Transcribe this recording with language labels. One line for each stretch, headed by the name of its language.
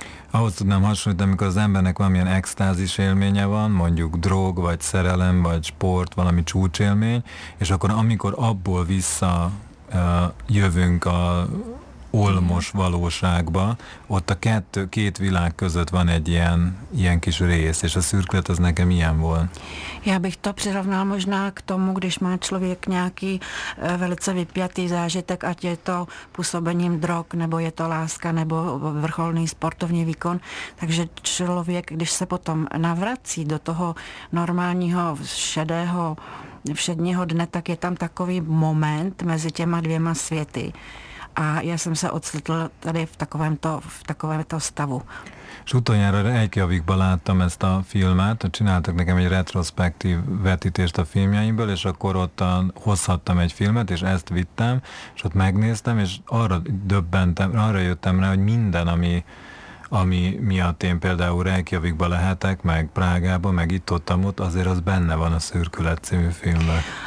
Hungarian: Ahhoz tudnám hasonlítani, amikor az embernek valamilyen extázis élménye van, mondjuk drog, vagy szerelem, vagy sport, valami csúcsélmény, és akkor amikor abból vissza jövünk a olmos valóságba, ott a két világ között van egy ilyen kis rész, és a Szürkület az nekem ilyen volt.
Czech: Já bych to přirovnal možná k tomu, když má člověk nějaký velice vypjatý zážitek, ať je to působením drog, nebo je to láska, nebo vrcholný sportovní výkon. Takže člověk, když se potom navrací do toho normálního šedého všedního dne, tak je tam takový moment mezi těma dvěma světy. A já jsem se ocitl tady v takovémto stavu.
Hungarian: És utoljára Reykjavikban láttam ezt a filmet, csináltak nekem egy retrospektív vetítést a filmjeimből, és akkor ott hozhattam egy filmet, és ezt vittem, és ott megnéztem, és arra jöttem rá, hogy minden, ami miatt én például Reykjavikban lehetek, meg Prágában, meg itt-ott-amott, azért az benne van a Szürkület című filmben.